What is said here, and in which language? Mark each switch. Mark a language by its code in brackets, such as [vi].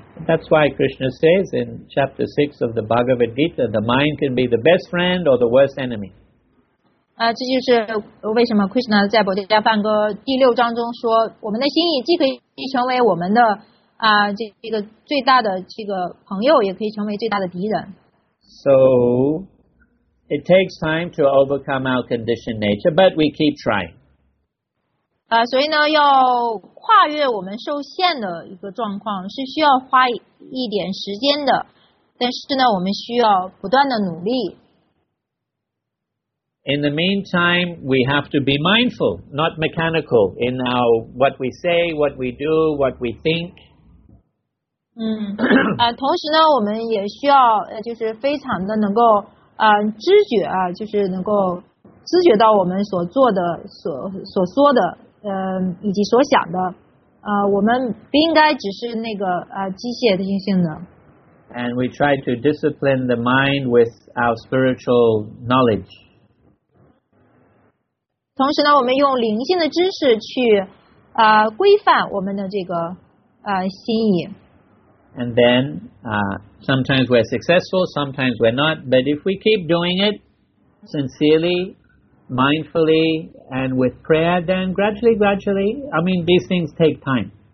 [en] That's why Krishna says in chapter 6 of the Bhagavad Gita, the mind can be the best friend or the worst enemy. [zh] 这就是为什么 Krishna 在《宝伽梵歌》第六章中说，我们的心意既可以成为我们的这个最大的这个朋友，也可以成为最大的敌人。 [en] So it takes time to overcome our conditioned nature, but we keep trying. [zh] 所以呢，要跨越我们受限的一个状况是需要花一点时间的，但是呢，我们需要不断的努力。 [en] In the meantime, we have to be mindful, not mechanical, in our what we say, what we do, what we think. [zh] 同时呢，我们也需要就是非常的能够知觉啊，就是能够知觉到我们所做的、所说的以及所想的。我们不应该只是那个机械性的。 [en] And we try to discipline the mind with our spiritual knowledge. [zh] 同时呢，我们用灵性的知识去规范我们的这个心意。 [en] And then, sometimes we're successful, sometimes we're not. But if we keep doing it sincerely, mindfully, and with prayer, then gradually, I mean, these things take time.